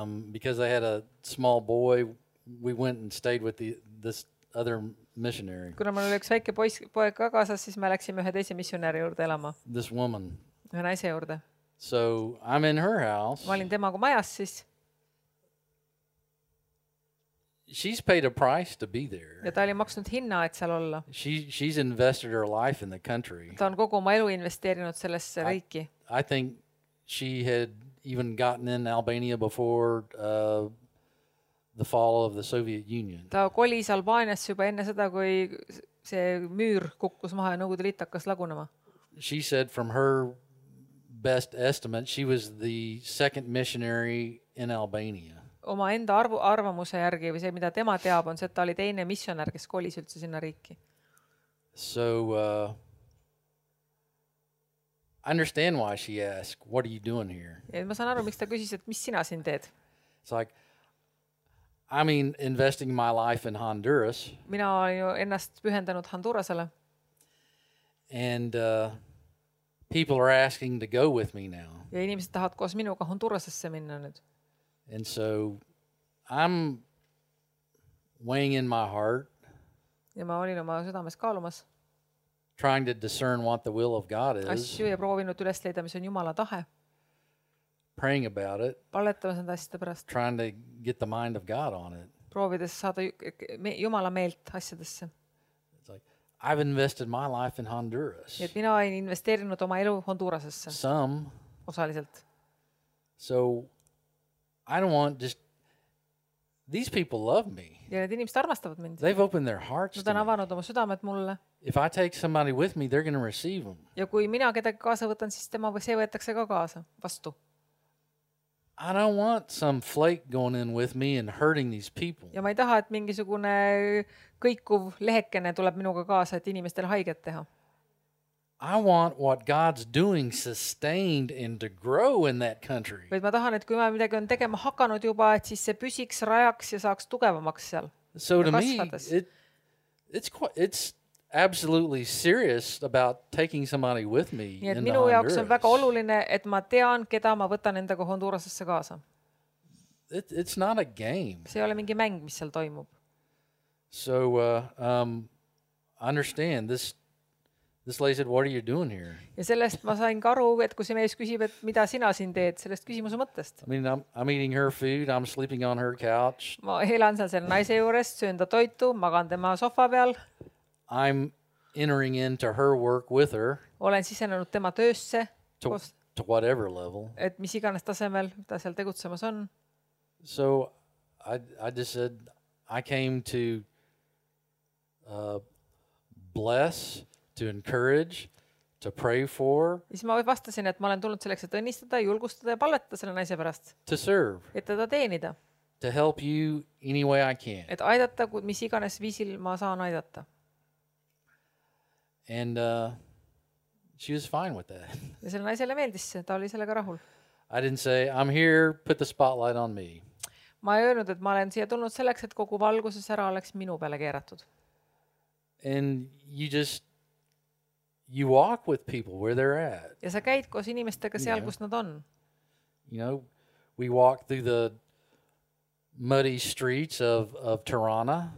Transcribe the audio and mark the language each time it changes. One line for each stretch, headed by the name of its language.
English: Because I had a small boy, we went and stayed with this other missionary.
Estonian: Kuna mul oli üks väike poeg ka kaasas, siis me läksime ühe teise missionäri juurde elama.
English: This woman.
Estonian: Ühe naise juurde.
English: So I'm in her house.
Estonian: Ma olin tema kui majas siis.
English: She's paid a price to be there.
Estonian: Ja ta oli maksnud hinna, et seal olla.
English: She's invested her life in the country.
Estonian: Ta on kogu oma elu investeerinud sellesse riiki.
English: I think she had even gotten in Albania before the fall of the Soviet Union.
Estonian: Ta kolis Albaaniasse juba enne seda, kui see müür kukkus maha ja Nõukogude Liit hakkas lagunema.
English: She said from her best estimate, she was the second missionary in Albania.
Estonian: Oma enda arvamuse järgi või see, mida tema teab, on see, et ta oli teine missionär, kes kolis üldse sinna riiki.
English: So I understand why she asked, what are you doing here?
Estonian: Ja ma saan aru, miks ta küsis, et mis sina siin teed?
English: It's like, I mean, investing my life in Honduras.
Estonian: Mina olen ju ennast pühendanud Hondurasele.
English: And people are asking to go with me now.
Estonian: Ja inimesed tahavad koos minuga Hondurasesse minna nüüd.
English: And so I'm weighing in my heart.
Estonian: Ja ma olin oma südames kaalumas.
English: Trying to discern what the will of God is.
Estonian: Asju ja proovinud üles leida, mis on Jumala tahe.
English: Praying about it.
Estonian: Paletamas enda asjade pärast.
English: Trying to get the mind of God on it.
Estonian: Proovides saada Jumala meelt asjadesse.
English: I've invested my life in Honduras.
Estonian: Et mina olen investeerinud oma elu Hondurasesse.
English: Some.
Estonian: Osaliselt.
English: So I don't want just these people love me.
Estonian: Ja need inimesed armastavad mind.
English: They've opened their hearts.
Estonian: Nad on avanud oma südamed mulle.
English: If I take somebody with me, they're going to receive them.
Estonian: Ja kui mina kedagi kaasa võtan, siis tema see võetakse ka kaasa vastu.
English: I don't want some flake going in with me and hurting these people.
Estonian: Ja ma ei taha, et mingisugune kõikuv lehekene tuleb minuga kaasa, et inimestel haiget teha.
English: I want what God's doing sustained and to grow in that country.
Estonian: Ma tahan, et kui ma midagi on tegema hakanud juba, et siis see püsiks, rajaks ja saaks tugevamaks seal.
English: So to me, it's absolutely serious about taking somebody with me in Honduras.
Estonian: Minu jaoks on väga oluline, et ma tean, keda ma võtan endaga Hondurasesse kaasa.
English: It's not a game.
Estonian: See ei ole mingi mäng, mis seal toimub.
English: So understand this lady said, what are you doing here?
Estonian: Ja sellest ma sain aru, et kui see mees küsib, et mida sina siin teed, sellest küsimuse mõttest.
English: I mean, I'm eating her food, I'm sleeping on her couch.
Estonian: Ma elan seal selle naise juures, söön ta toitu, magan tema sofa peal.
English: I'm entering into her work with her.
Estonian: Olen sisenenud tema töösse.
English: To whatever level.
Estonian: Et mis iganes tasemel, mida seal tegutsemas on.
English: So I just said, I came to bless, to encourage, to pray for.
Estonian: Siis ma vastasin, et ma olen tulnud selleks, et õnnistada, julgustada ja palleta selle naise pärast.
English: To serve.
Estonian: Et teda teenida.
English: To help you any way I can.
Estonian: Et aidata, mis iganes viisil ma saan aidata.
English: And she was fine with that.
Estonian: Ja selle naisele meeldis see, ta oli sellega rahul.
English: I didn't say, I'm here, put the spotlight on me.
Estonian: Ma ei öelnud, et ma olen siia tulnud selleks, et kogu valguses ära oleks minu peale keeratud.
English: And you walk with people where they're at.
Estonian: Ja sa käid koos inimestega seal, kus nad on.
English: You know, we walk through the muddy streets of Tirana.